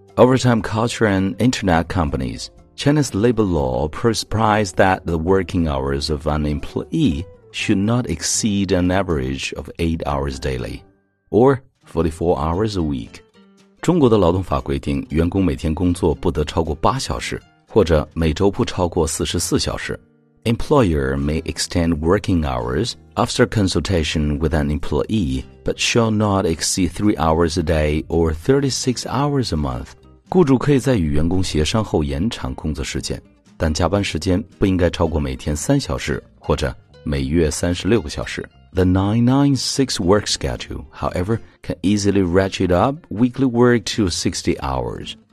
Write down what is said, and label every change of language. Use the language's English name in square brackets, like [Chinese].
[English] Overtime culture and internet companies， Chinese labor law prescribes that the working hours of an employee should not exceed an average of 8 hours daily or 44 hours a week。 [Chinese] 中国的劳动法规定，员工每天工作不得超过8小时，或者每周不超过44小时。 [English] Employer may extend working hours after consultation with an employee, but shall not exceed 3 hours a day or 36 hours a month. [Chinese] 雇主可以在与员工协商后延长工作时间，但加班时间不应该超过每天3小时，或者每月36个小时。 [English] The 996 work schedule, however, can easily ratchet up weekly work to 60 hours.